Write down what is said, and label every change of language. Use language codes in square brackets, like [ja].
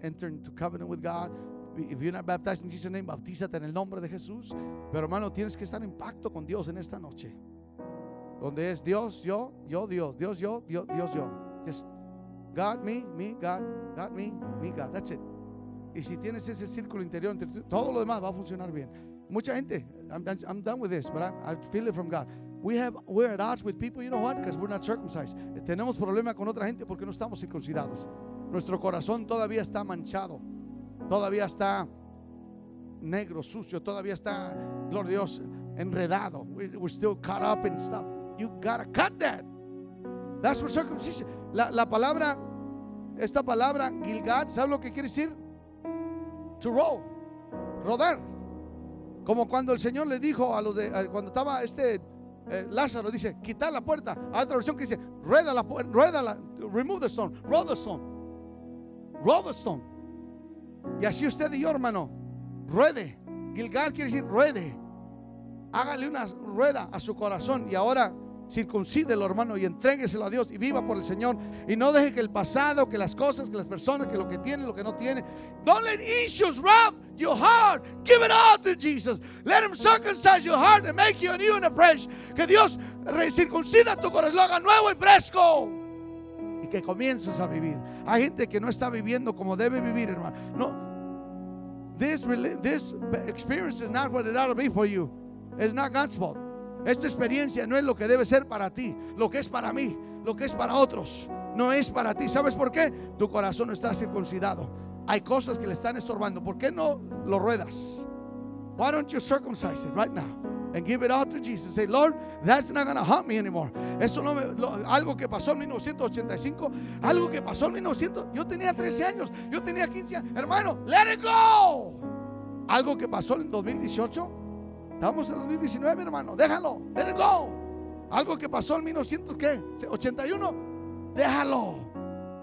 [en] Enter into covenant with God. If you're not baptized in Jesus' name, [es] bautízate en el nombre de Jesús. Pero hermano, tienes que estar en pacto con Dios en esta noche. Donde es Dios, yo, Dios. Dios, yo, Dios, yo. [en] Just God, me, God. God, me, God. That's it. [es] Y si tienes ese círculo interior, entre todo lo demás va a funcionar bien. Mucha gente, [en] I'm done with this, but I feel it from God. We're at odds with people, you know what? Because we're not circumcised. [es] Tenemos problema con otra gente porque no estamos circuncidados. Nuestro corazón todavía está manchado. Todavía está negro, sucio. Todavía está, [en] Lord Dios, enredado. We're still caught up in stuff. You gotta cut that. That's what circumcision. [es] La palabra, esta palabra, Gilgad, ¿sabe lo que quiere decir? [en] To roll. [es] Rodar. Como cuando el Señor le dijo a los de, cuando estaba este... Lázaro dice, quitar la puerta. Hay otra versión que dice, rueda la puerta, [en] remove the stone, roll the stone. [es] Y así usted y yo, hermano, ruede. Gilgal quiere decir ruede. Hágale una rueda a su corazón y ahora circuncídelo, hermano, y entrégueselo a Dios y viva por el Señor. Y no deje que el pasado, que las cosas, que las personas, que lo que tiene, lo que no tiene. [en] Don't let issues rob your heart. Give it all to Jesus. Let him circumcise your heart and make you new and fresh. [es] Que Dios recircuncida tu corazón, lo haga nuevo y fresco. Y que comiences a vivir. Hay gente que no está viviendo como debe vivir, hermano. No. [en] This experience is not what it ought to be for you. It's not God's fault. [es] Esta experiencia no es lo que debe ser para ti, lo que es para mí, lo que es para otros, no es para ti. ¿Sabes por qué? Tu corazón no está circuncidado. Hay cosas que le están estorbando. ¿Por qué no lo ruedas? [en] Why don't you circumcise it right now and give it all to Jesus? Say, Lord, that's not going to haunt me anymore. [es] Eso no me, lo, algo que pasó en 1985, algo que pasó en 1900, yo tenía 13 años, yo tenía 15 años. Hermano, [en] let it go. [es] Algo que pasó en 2018, estamos en 2019, hermano, déjalo, let it go. Algo que pasó en 1981, déjalo.